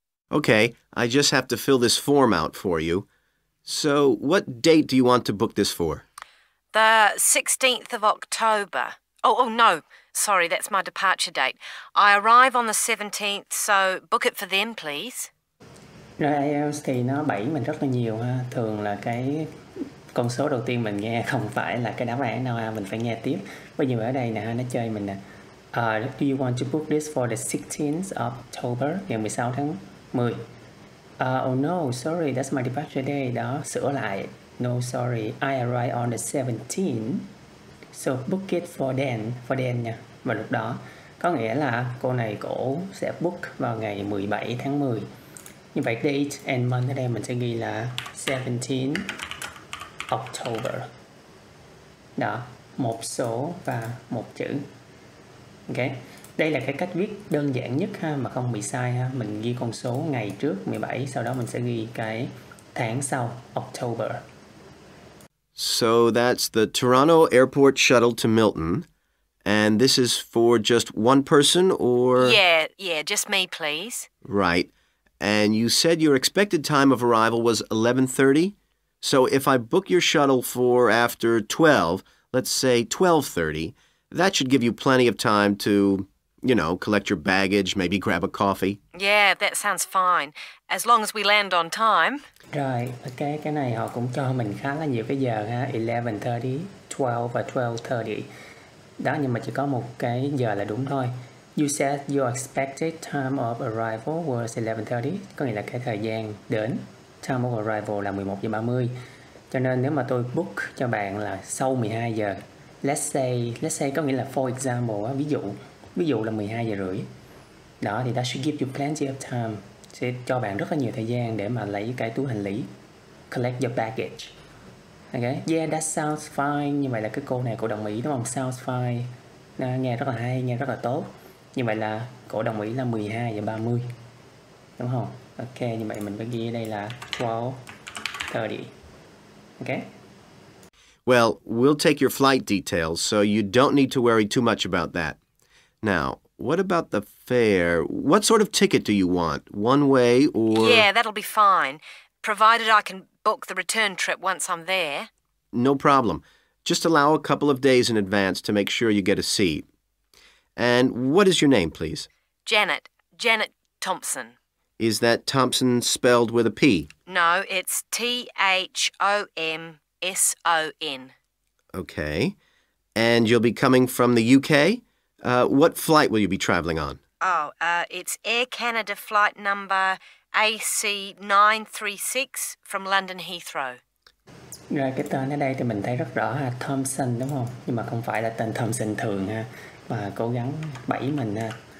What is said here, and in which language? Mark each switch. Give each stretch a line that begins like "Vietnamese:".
English: Okay, I just have to fill this form out for you. So, what date do you want to book this for? The 16th of October. Oh, no. Sorry, that's my departure date. I arrive on the 17th, so book it for then, please.
Vietnamese: Rồi IELTS thì nó bẫy mình rất là nhiều ha. Thường là cái con số đầu tiên mình nghe không phải là cái đáp án nào ha. Mình phải nghe tiếp. Bây giờ ở đây nè, nó chơi mình nè.
English: Do you want to book this for the 16th of October,
Vietnamese: ngày 16 tháng 10?
English: Oh no, sorry, that's my departure day.
Vietnamese: Đó, sửa lại.
English: No, sorry, I arrive on the 17th. So book it for then nha.
Vietnamese: Và lúc đó, có nghĩa là cô này cổ sẽ book vào ngày 17 tháng 10. Như vậy,
English: date and month
Vietnamese: ở đây mình sẽ ghi là 17 October. Đó, một số và một chữ. Ok, đây là cái cách viết đơn giản nhất ha, mà không bị sai ha. Mình ghi con số ngày trước 17, sau đó mình sẽ ghi cái tháng sau, October.
English: So that's the Toronto Airport shuttle to Milton. And this is for just one person or... Yeah, just me, please. Right. And you said your expected time of arrival was 11:30. So if I book your shuttle for after 12, let's say 12:30, that should give you plenty of time to, you know, collect your baggage, maybe grab a coffee. Yeah, that sounds fine. As long as we land on time.
Vietnamese: Rồi, ok, cái này họ cũng cho mình khá là nhiều cái giờ ha, 11:30, 12 và 12:30. Đó, nhưng mà chỉ có một cái giờ là đúng thôi.
English: You said your expected time of arrival was 11:30,
Vietnamese: có nghĩa là cái thời gian đến,
English: time of arrival
Vietnamese: là 11:30. Cho nên nếu mà tôi book cho bạn là sau 12 giờ,
English: let's say
Vietnamese: có nghĩa là
English: for example,
Vietnamese: ví dụ là 12 giờ rưỡi. Đó, thì
English: that should give you plenty of time.
Vietnamese: Sẽ cho bạn rất là nhiều thời gian để mà lấy cái túi hành lý,
English: collect your baggage. Okay, yeah, that sounds fine.
Vietnamese: Như vậy là cái cô này cô đồng ý đúng không?
English: Sounds fine.
Vietnamese: Nó nghe rất là hay, nghe rất là tốt. Như vậy là cô đồng ý là 12:30. Đúng không? Ok, như vậy mình phải ghi ở đây là 12:30.
English: Okay? Well, we'll take your flight details, so you don't need to worry too much about that. Now, what about the fare? What sort of ticket do you want? One way or... Yeah, that'll be fine. Provided I can book the return trip once I'm there. No problem. Just allow a couple of days in advance to make sure you get a seat. And what is your name, please? Janet. Janet Thompson. Is that Thompson spelled with a P? No, it's Thompson. Okay. And you'll be coming from the UK? What flight will you be traveling on? Oh, it's Air Canada flight number AC936 from London Heathrow.
Vietnamese: Rồi, cái tên ở đây thì mình thấy rất rõ ha, Thompson đúng không? Nhưng mà không phải là tên Thompson thường ha, mà cố gắng bẫy mình ha.